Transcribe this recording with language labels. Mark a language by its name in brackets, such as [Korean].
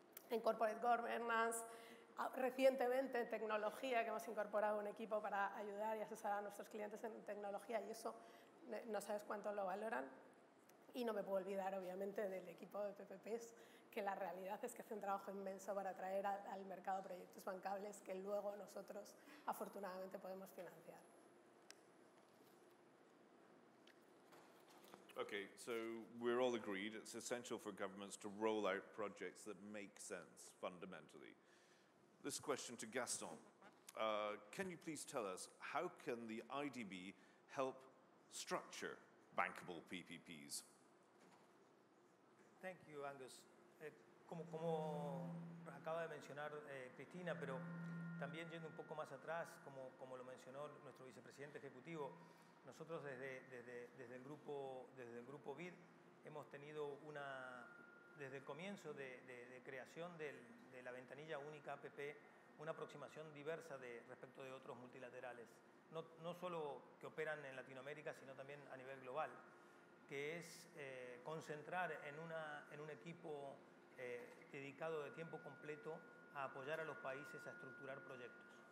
[Spanish] en corporate governance, recientemente en tecnología, que hemos incorporado un equipo para ayudar y asesorar a nuestros clientes en tecnología, y eso no sabes cuánto lo valoran. Y no me puedo olvidar, obviamente, del equipo de PPPs, que la realidad es que hace un trabajo inmenso para traer al mercado proyectos bancables que luego nosotros, afortunadamente, podemos financiar. [English] Okay, so we're all agreed it's essential for governments to roll out projects that make sense fundamentally. This question to Gaston. Can you please tell us how can the IDB help structure bankable PPPs? Thank you, Angus. [Spanish] Como acaba de mencionar Cristina, pero también yendo un poco más atrás, como lo mencionó nuestro vicepresidente ejecutivo, nosotros desde el grupo BID hemos tenido una, desde el comienzo de creación de la ventanilla única APP, una aproximación diversa respecto de otros multilaterales, no solo que operan en Latinoamérica, sino también a nivel global, que es concentrar en un equipo dedicado de tiempo completo a apoyar a los países a estructurar proyectos.